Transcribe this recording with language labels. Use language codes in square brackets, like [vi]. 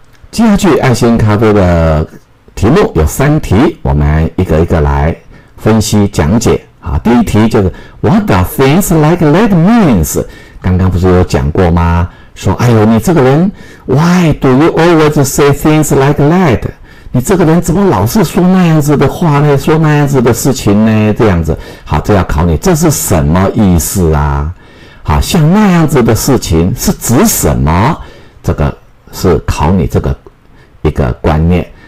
[zh] 接下去爱心咖啡的题目有三题，我们一个一个来分析讲解。好，第一题就是 [en] What does things like that means？ [zh] 刚刚不是有讲过吗？说哎呦，你这个人 [en] Why do you always say things like that？ [zh] 你这个人怎么老是说那样子的话呢？说那样子的事情呢？这样子，好，这要考你，这是什么意思啊？好，像那样子的事情是指什么？这个是考你这个一个观念。